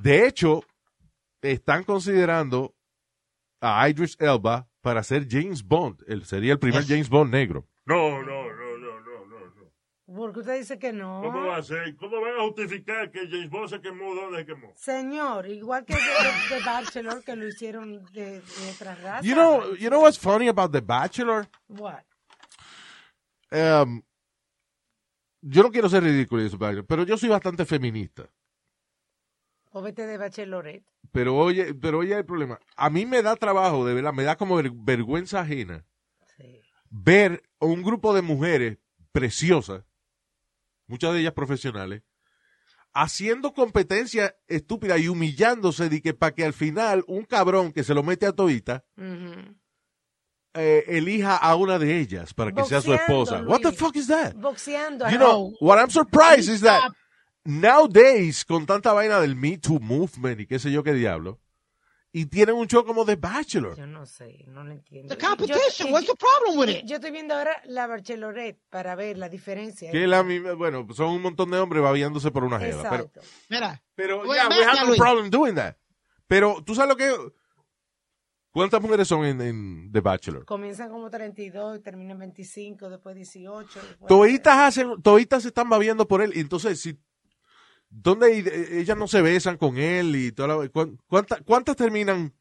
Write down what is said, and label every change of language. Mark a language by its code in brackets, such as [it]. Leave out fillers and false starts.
[es] De hecho, están considerando a Idris Elba para ser James Bond. Sería el primer James Bond negro. No. ¿Por qué usted dice que no? ¿Cómo va a ser? ¿Cómo van a justificar que James Bond se quemó? ¿Dónde se quemó? Señor, igual que The Bachelor, que lo hicieron de otra raza. [en] You know what's funny about The Bachelor? What? [es] Yo no quiero ser ridículo, pero yo soy bastante feminista. O vete de Bachelorette. Pero oye, el problema. A mí me da trabajo, de verdad, me da como vergüenza ajena. Ver un grupo de mujeres preciosas, muchas de ellas profesionales, haciendo competencia estúpida y humillándose de que para que al final un cabrón que se lo mete a todita elija a una de ellas para que boxeando, sea su esposa. Luis. [en] What the fuck is that? [es] Boxeando. [en] You know, what I'm surprised is that nowadays, [es] con tanta vaina del Me Too movement y qué sé yo qué diablo, [en] y tienen un show como The Bachelor. [es] Yo no sé, no lo entiendo. [en] The competition, what's the problem with it? [es] Yo estoy viendo ahora La Bachelorette para ver la diferencia. Que la misma, bueno, son un montón de hombres babiándose por una jeva. Exacto. Pero, mira. [en] Pero, well, yeah, we have no problem doing that. [es] Pero, ¿tú sabes lo que? ¿Cuántas mujeres son en The Bachelor? Comienzan como 32, terminan 25, después 18. Toitas se están babiando por él. Entonces, si ¿Dónde ellas no se besan con él y toda la, cuántas terminan?